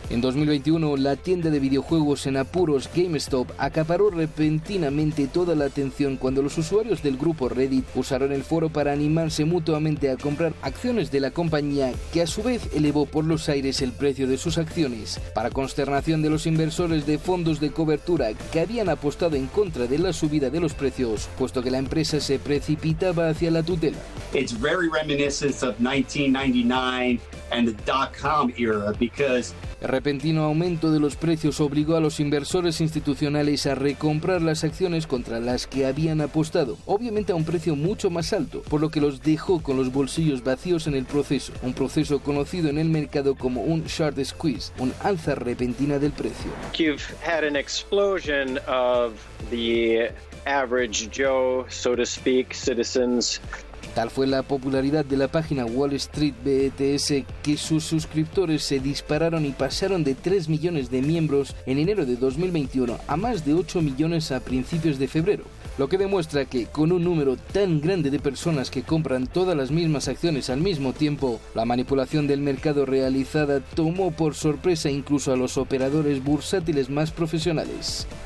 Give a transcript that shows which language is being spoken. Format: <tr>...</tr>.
<es>En 2021, la tienda de videojuegos en apuros GameStop acaparó repentinamente toda la atención cuando los usuarios del grupo Reddit usaron el foro para animarse mutuamente a comprar acciones de la compañía, que a su vez elevó por los aires el precio de sus acciones. Para consternación de los inversores de fondos de cobertura que habían apostado en contra de la subida de los precios, puesto que la empresa se precipitaba hacia la tutela.</es> <en>It's very reminiscent of 1999 and the dot-com era, because</en> <es>el repentino aumento de los precios obligó a los inversores institucionales a recomprar las acciones contra las que habían apostado, obviamente a un precio mucho más alto, por lo que los dejó con los bolsillos vacíos en el proceso, un proceso conocido en el mercado como un short squeeze, un alza repentina del precio.</es> <en>You've had an explosion of the average Joe, so to speak, citizens.</en> <es>Tal fue la popularidad de la página Wall Street BTS que sus suscriptores se dispararon y pasaron de 3 millones de miembros en enero de 2021 a más de 8 millones a principios de febrero. Lo que demuestra que, con un número tan grande de personas que compran todas las mismas acciones al mismo tiempo, la manipulación del mercado realizada tomó por sorpresa incluso a los operadores bursátiles más profesionales.</es>